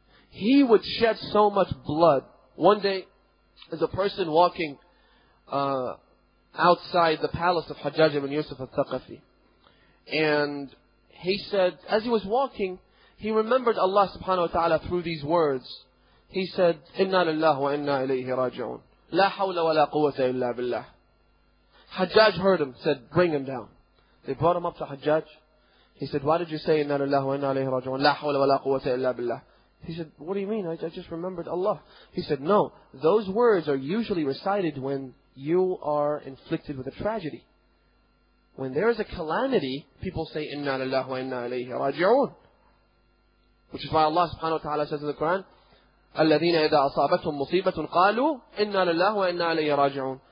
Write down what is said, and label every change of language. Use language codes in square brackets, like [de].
[en] he would shed so much blood. One day, there's a person walking outside the palace of Hajjaj ibn Yusuf al-Thaqafi. And he said, as he was walking, he remembered Allah subhanahu wa ta'ala through these words. He said, [ar] إِنَّا لِلَّهُ وَإِنَّا إِلَيْهِ رَاجِعُونَ لَا حَوْلَ وَلَا قُوَّةَ إِلَّا بِاللَّهِ. [en] Hajjaj heard him, said, bring him down. They brought him up to Hajjaj. He said, why did you say, [ar] إِنَّا لِلَّهُ وَإِنَّا إِلَيْهِ رَاجِعُونَ لَا حَوْلَ وَلَا قُوَّةَ إِلَّا بِاللَّهِ. [en] He said, what do you mean? I just remembered Allah. He said, no, those words are usually recited when you are inflicted with a tragedy. When there is a calamity, people say, [ar] إِنَّا لِلَّهُ وَإِنَّا إِلَيْهِ رَاجِعُونَ. [en] Which is why Allah subhanahu wa ta'ala says in the Quran, [ar] الَّذِينَ إِذَا أَصَابَتْهُمْ مُصِيبَةٌ قَالُوا إِنَّا لِلَّهُ وَإِنَّا إِلَيْهِ رَاجِعُونَ.